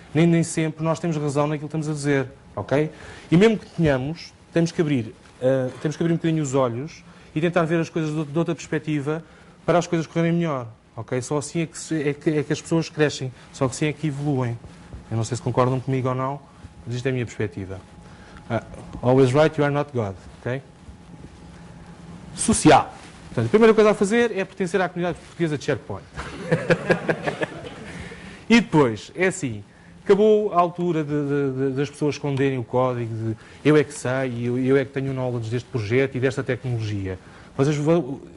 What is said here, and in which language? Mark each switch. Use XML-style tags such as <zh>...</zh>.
<pt>Nem sempre nós temos razão naquilo que estamos a dizer, ok? E mesmo que tenhamos, temos que abrir um bocadinho os olhos e tentar ver as coisas de outra perspectiva, para as coisas correrem melhor, ok? Só assim é que as pessoas crescem, só assim é que evoluem. Eu não sei se concordam comigo ou não, mas isto é a minha perspectiva.</pt> <en>Always right, you are not God, ok? Social.</en> <pt>Portanto, a primeira coisa a fazer é pertencer à comunidade portuguesa de SharePoint. E depois, é assim, acabou a altura das pessoas esconderem o código, de eu é que sei, eu é que tenho knowledge deste projeto e desta tecnologia. Vocês vão...</pt>